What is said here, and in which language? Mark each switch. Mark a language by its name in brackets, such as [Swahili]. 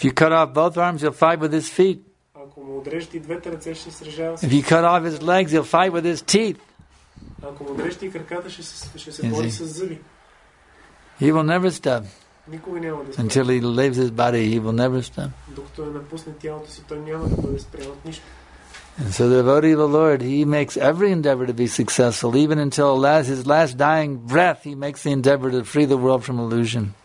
[English] If you cut off both arms, he'll fight with his feet. [Bulgarian] Ако му отрежете двете ръце, ще се сражава с [English] If you cut off his legs, he'll fight with his teeth. [Bulgarian] Ако му отрежете краката, ще се бори с зъби. [English] He will never stop. [Bulgarian] Никога няма да спре. [English] Until he leaves his body, he will never stop. [Bulgarian] Докато не напусне тялото си, той няма да бъде спрял от нищо. [English] And so the devotee of the Lord, he makes every endeavor to be successful, even until his last dying breath, he makes the endeavor to free the world from illusion.